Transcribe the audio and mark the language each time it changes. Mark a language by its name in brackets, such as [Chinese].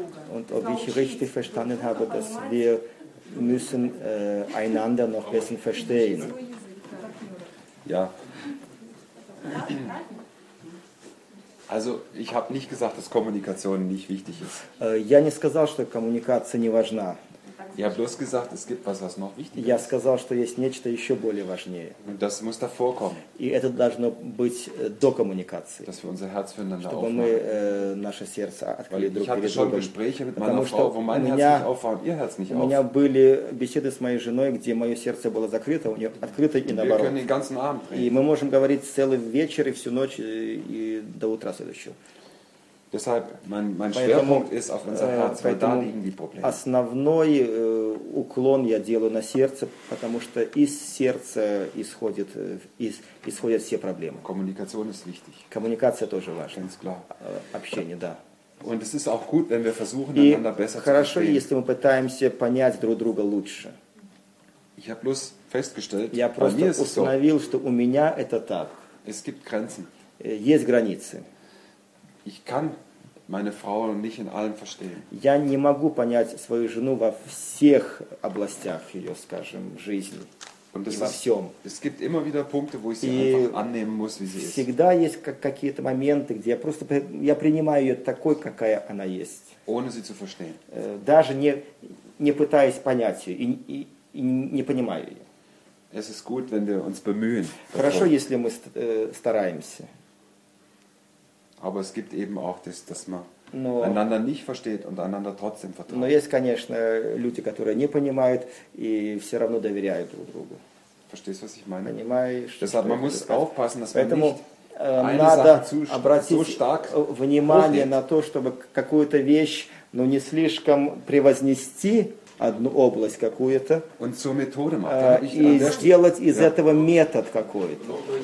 [German] Und ob ich richtig verstanden habe, dass wir müssen einander noch besser verstehen. Ja. Also, ich habe nicht gesagt, dass Kommunikation nicht wichtig ist. [Russian] Я не сказал, что коммуникация не важна. [German] Я bloß gesagt, es gibt was noch wichtiger. [Russian] Я сказал, что есть нечто еще более важнее. [German] Und das muss davor kommen. [Russian] И это должно быть до коммуникации. [German] Dass wir unser Herz füreinander aufmachen. [Russian] Чтобы мы наше сердце открыли друг перед другом. [German] Ich hatte schon Gespräche mit meiner Frau, wo mein Herz nicht auf war und ihr Herz nicht auf. [Russian] У меня были беседы с моей женой, где мое сердце было закрыто, у нее открыто и наоборот. [German] Wir können den ganzen Abend reden. [Russian] И мы можем говорить целый вечер и всю ночь и до утра следующего. [German] Deshalb, mein Schwerpunkt ist auf unser Herz, weil da liegen die Probleme. [Russian] Основной уклон я делаю на сердце, потому что из сердца исходят все проблемы. [German] Коммуникация ist wichtig. [Russian] Коммуникация тоже важна. [German] Ganz klar. [Russian] Общение, да. [German] Und es ist auch gut, wenn wir versuchen, einander besser zu verstehen. [Russian] Хорошо, если мы пытаемся понять друг друга лучше. [German] Ich habe bloß festgestellt, [Russian] я просто установил, что у меня это так. [German] Es gibt Grenzen. [Russian] Есть границы. [German] Ich kann meine Frau nicht in allem verstehen. [Russian] Я не могу понять свою жену во всех областях ее, скажем, жизни. [German] Und [Russian] во всем. [German] Es gibt immer wieder Punkte, wo ich sie einfach annehmen muss, wie sie ist. [Russian] Всегда есть какие-то моменты, где я просто принимаю ее такой, какая она есть. [German] Ohne sie zu verstehen. [Russian] Даже не пытаясь понять ее и не понимаю ее. [German] Es ist gut, wenn wir uns bemühen. [Russian] Хорошо, если мы стараемся. [German] Aber es gibt eben auch das, dass man einander nicht versteht und einander trotzdem vertraut. [Russian] Но есть, конечно, люди, которые не понимают и все равно доверяют друг другу. [German] Verstehst, was ich meine? [Russian] Понимаешь? [German] Deshalb man muss aufpassen, dass [Russian] поэтому [German] man nicht eine Sache so stark hochlädt. [Russian] Надо обратить внимание на то, чтобы какую-то вещь, но не слишком превознести одну область какую-то. [German] Und zur Methode macht. [Russian] И сделать из этого метод какой-то.